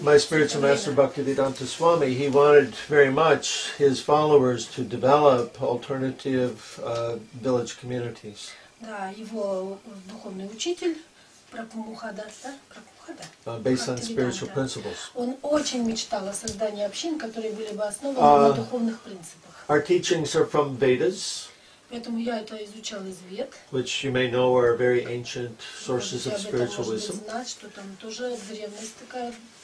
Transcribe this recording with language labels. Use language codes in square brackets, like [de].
[en] My spiritual master Bhaktivedanta Swami, he wanted very much his followers to develop alternative village communities. [ru] Да, его духовный учитель Прабхупада. [en] Based on spiritual principles. [ru] Он очень мечтал о создании общин, которые были бы основаны на духовных принципах. [en] Our teachings are from Vedas. [ru] Поэтому я это изучал из Вед. [en] Which you may know are very ancient sources of spiritual wisdom. [ru] Может быть, знать, что там тоже древность такая.